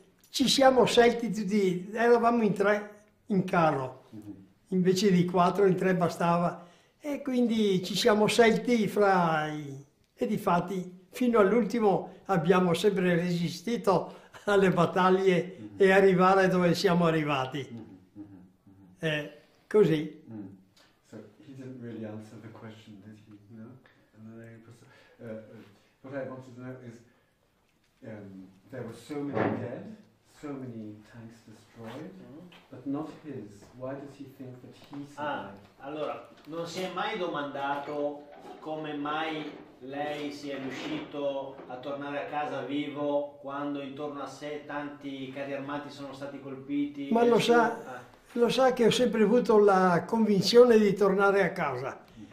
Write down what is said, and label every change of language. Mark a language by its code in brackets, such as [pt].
[it] ci siamo scelti tutti, eravamo in tre in carro, invece di quattro, in tre bastava, e quindi ci siamo scelti e difatti fino all'ultimo abbiamo sempre resistito alle battaglie e arrivare dove siamo arrivati. Così. [en] So he didn't really answer the question, did he? No? And then what I wanted to know is there were so many dead, so many tanks destroyed, but not his. Why does he think that he Ah, survived? [it] allora, non si è mai domandato come mai lei sia riuscito a tornare a casa vivo quando intorno a sé tanti carri armati sono stati colpiti Ma e su. Ah. lo sa che ho sempre avuto la convinzione di tornare a casa.